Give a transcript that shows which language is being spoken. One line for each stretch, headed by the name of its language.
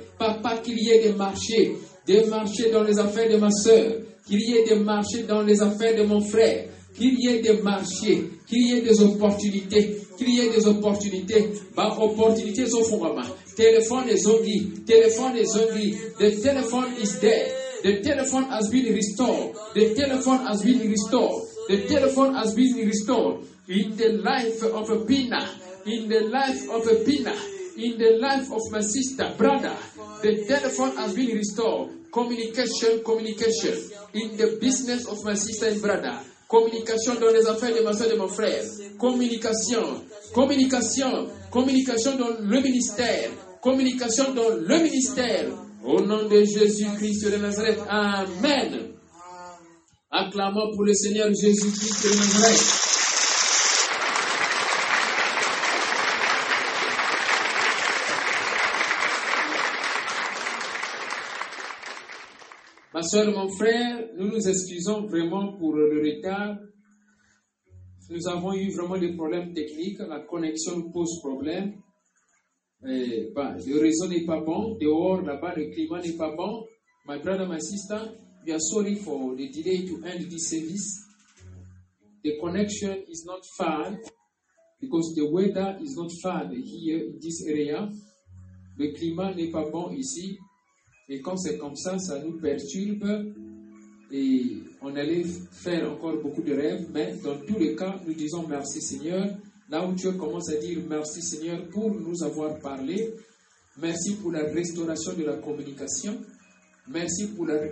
French: Papa, qu'il y ait des marchés dans les affaires de ma sœur, qu'il y ait des marchés dans les affaires de mon frère, qu'il y ait des marchés, qu'il y ait des opportunités, qu'il y ait des opportunités. Ma opportunité est au fond de ma main. Téléphone est zongi, téléphone est zongi,
English: the telephone is there. The telephone has been restored. The telephone has been restored. The telephone has been restored. In the life of a Pina. In the life of a Pina. In the life of my sister, brother. The telephone has been restored. Communication, communication. In the business of my sister and brother.
French: Communication dans les affaires de ma soeur et de mon frère. Communication. Communication. Communication dans le ministère. Communication dans le ministère. Au nom de Jésus-Christ de Nazareth. Amen. Acclamons pour le Seigneur Jésus-Christ de Nazareth. Ma soeur, mon frère, nous nous excusons vraiment pour le retard. Nous avons eu vraiment des problèmes techniques. La connexion pose problème. Le réseau n'est pas bon. Dehors, là-bas, le climat n'est pas bon.
English: My brother, my sister, we are sorry for the delay to end this service. The connection is not fine because the weather is not fine here in this area.
French: Le climat n'est pas bon ici. Et quand c'est comme ça, ça nous perturbe et on allait faire encore beaucoup de rêves. Mais dans tous les cas, nous disons merci Seigneur. Là où Dieu commence à dire merci Seigneur pour nous avoir parlé, merci pour la restauration de la communication, merci pour la...